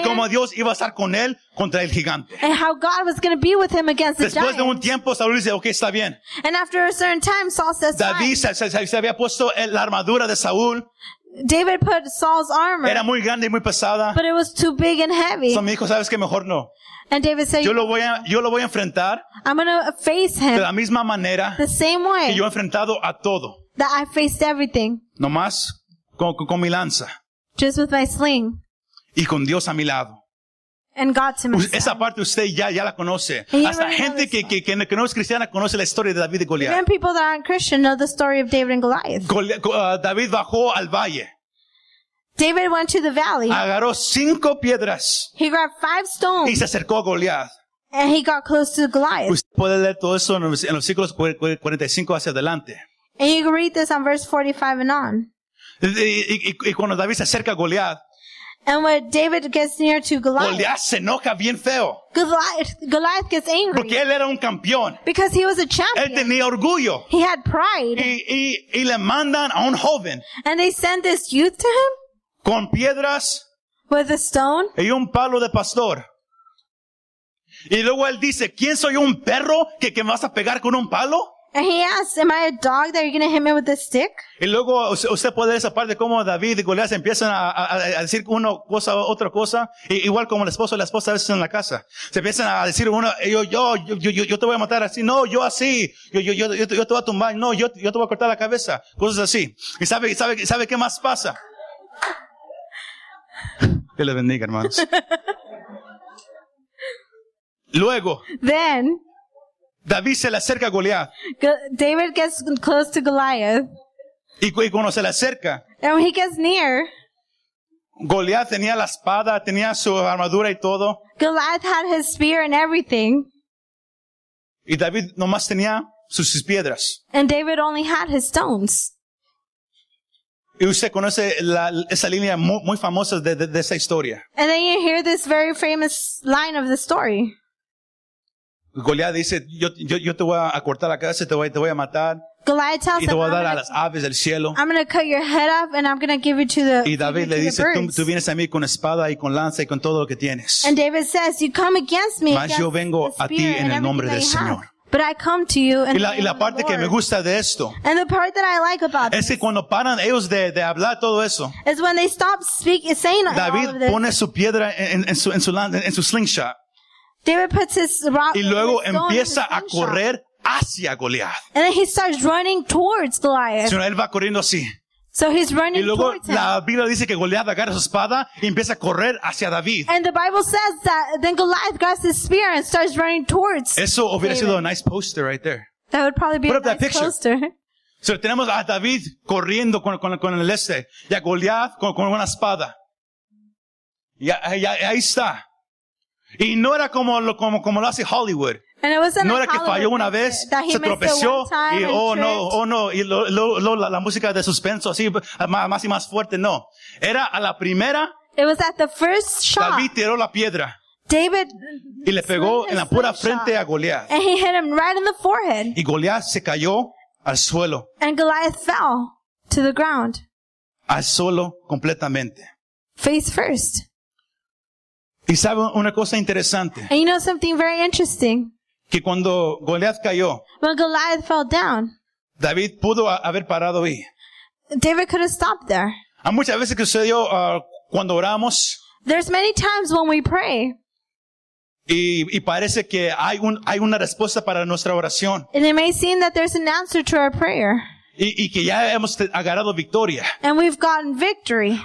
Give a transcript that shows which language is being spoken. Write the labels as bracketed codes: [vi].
[es] Y cómo Dios iba a estar con él contra el gigante. [en] And how God was going to be with him against the giant. [es] Después de un tiempo, Saúl dice, okay, está bien. [en] And after a certain time, Saul says, [es] David se había puesto la armadura de Saúl. [en] David put Saul's armor. [es] Era muy grande y muy pesada. [en] But it was too big and heavy. [es] So me dijo, ¿sabes qué? Mejor no. [en] And David said, [es] yo lo voy a enfrentar. [en] I'm going to face him. [es] De la misma manera. [en] The same way. [es] Que yo he enfrentado a todo. [en] That I faced everything. [es] Nomás con mi lanza. [en] Just with my sling. [es] Y con Dios a mi lado. [en] And God to my side. [es] Esa parte usted ya la conoce. Hasta gente que no es cristiana conoce la historia de David y Goliat. [en] Even people that aren't Christian know the story of David and Goliath. [es] David bajó al valle. [en] David went to the valley. [es] Agarró cinco piedras. [en] He grabbed five stones. [es] Y se acercó a Goliat. [en] And he got close to Goliath. [es] Usted puede leer todo eso en los versículos 45 hacia adelante. [en] And you can read this on verse 45 and on. [es] Y cuando David se acerca a Goliat. [en] And when David gets near to Goliath, [es] Goliath se enoja bien feo. [en] Goliath gets angry. [es] Porque él era un campeón. [en] Because he was a champion. [es] Él tenía orgullo. [en] He had pride. [es] Y le mandan a un joven. [en] And they send this youth to him. [es] Con piedras. [en] With a stone. [es] Y un palo de pastor. Y luego él dice, ¿quién soy yo, un perro que me vas a pegar con un palo? [en] And he asks, am I a dog that you're going to hit me with a stick? [es] Y luego usted puede ver esa parte como David y Goliat empiezan a decir una cosa, otra cosa. Y, igual como el esposo y la esposa a veces en la casa. Se empiezan a decir uno, yo te voy a matar así. No, yo así. Yo te voy a tumbar. No, yo te voy a cortar la cabeza. Cosas así. Y sabe qué más pasa. Que le bendiga, hermanos. Luego. [en] Then. [es] David se le acerca a Goliat. [en] David gets close to Goliath. [es] Y cuando se le acerca. [en] And when he gets near. [es] Goliat tenía la espada, tenía su armadura y todo. [en] Goliath had his spear and everything. [es] Y David nomás tenía sus piedras. [en] And David only had his stones. [es] Y usted conoce esa línea muy, muy famosa de esa historia. [en] And then you hear this very famous line of the story. [es] Goliat dice, yo te voy a cortar la cabeza, te voy a matar. [en] Goliath tells [es] y te voy [en] him, [es] a dar a las aves del cielo. [en] I'm going to cut your head off and I'm going to give it to the birds. [es] Y David le dice, tú vienes a mí con espada y con lanza y con todo lo que tienes. [en] And David says, you come against me. [es] Mas yo vengo a ti en el nombre del Señor. [en] But I come to you in the name of the Lord. [es] Me gusta de esto, [en] and the part that I like about [es] es [en] this [es] que cuando paran ellos de hablar todo eso, [en] is when they stop speaking, saying [es] David [en] all of this. [es] David pone su piedra en su slingshot. [en] David puts his rock [es] y luego empieza a correr hacia Goliath. [en] And then he starts running towards Goliath. [es] Sino él va corriendo así. [en] So he's running [es] y luego [en] towards [es] la Biblia dice que Goliath agarra su espada y empieza a correr hacia David. [en] And the Bible says that then Goliath grabs his spear and starts running towards [es] eso hubiera [en] David. [es] Sido [en] a nice poster right there. That would probably be put a nice picture. Poster. [es] So tenemos a David corriendo con el este y a Goliath con una espada. Y ahí está. Y no era como lo hace Hollywood. [en] And it wasn't [es] no [en] like [es] era que falló una vez, se tropezó y oh no, y la música de suspenso así más y más fuerte, no. Era a la primera. [en] It was at the first shot. [es] David tiró la piedra. [en] David [es] y le pegó en la pura frente a Goliath. [en] And he hit him right in the forehead. [es] Y Goliath se cayó al suelo. [en] And Goliath fell to the ground. [es] Al suelo completamente. [en] Face first. [es] Y sabe una cosa interesante. [en] And you know something very interesting. [es] Que cuando Goliath cayó, [en] when Goliath fell down, [es] David pudo haber parado ahí. [en] David could have stopped there. [es] Hay muchas veces que sucedió cuando oramos. [en] There's many times when we pray. [es] Y parece que hay una respuesta para nuestra oración. [en] And it may seem that there's an answer to our prayer. [es] Y que ya hemos agarrado victoria. [en] And we've gotten victory.